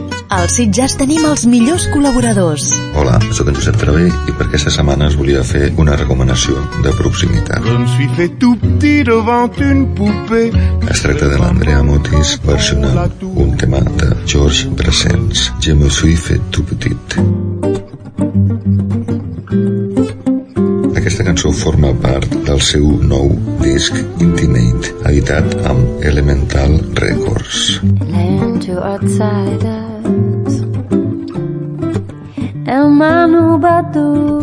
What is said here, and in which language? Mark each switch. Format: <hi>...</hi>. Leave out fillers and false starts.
<ca>als Sitges tenim els millors col·laboradors. Hola, sóc en Josep Travé i per aquesta setmana es volia fer una recomanació de proximitat.</ca> <fr>Je me suis fait tout petit devant une poupée.</fr> <ca>Es tracta de l'Andrea Motis versionant un tema de George Brassens.</ca> <fr>Je me suis fait tout petit.</fr> <ca>Aquesta cançó forma part del seu nou disc Intimate, editat amb Elemental Records. And to outsiders, el Manu Batu.</ca>